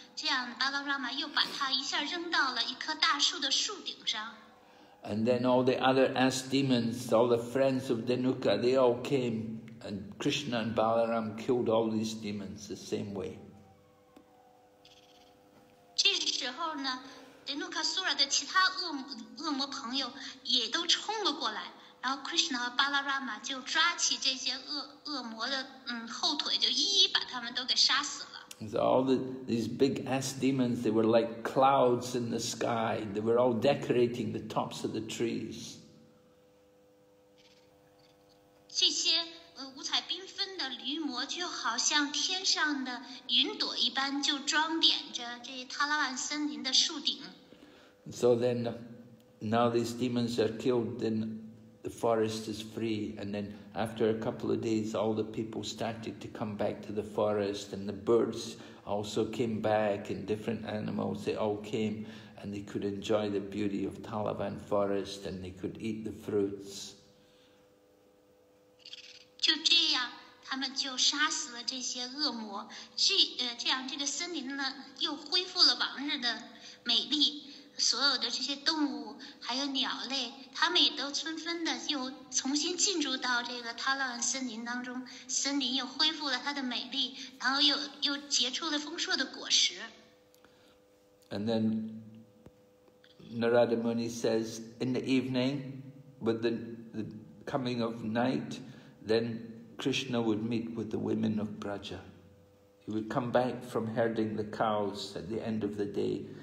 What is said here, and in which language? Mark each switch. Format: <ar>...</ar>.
<zh>这样，巴拉拉玛又把他一下扔到了一棵大树的树顶上。</zh> <en>And then all the other ass demons, all the friends of Danuka, they all came, and Krishna and Balaram killed all these demons the same way.</en> <zh>候呢，德努卡苏拉的其他恶魔朋友也都冲了过来，然后 Krishna 和巴拉拉玛就抓起这些恶魔的后腿，就一一把他们都给杀死了。</zh> <en>So all these big ass demons, they were like clouds in the sky. They were all decorating the tops of the trees.</en> <zh>这些五彩缤纷的驴魔就好像天上的云朵一般，就装点着这塔拉万森林的树顶。</zh> <en>So then, now these demons are killed, then the forest is free, and then after a couple of days, all the people started to come back to the forest, and the birds also came back, and different animals, they all came, and they could enjoy the beauty of Talavan forest, and they could eat the fruits.</en> <zh>就这样，他们就杀死了这些恶魔，这样这个森林呢，又恢复了往日的美丽。所有的这些动物还有鸟类，他们也都纷纷的又重新进入到这个塔拉万森林当中，森林又恢复了它的美丽，然后又结出了丰硕的果实。</zh> <en>And then Narada Muni says, in the evening, with the coming of night, then Krishna would meet with the women of Braja. He would come back from herding the cows at the end of the day.</en>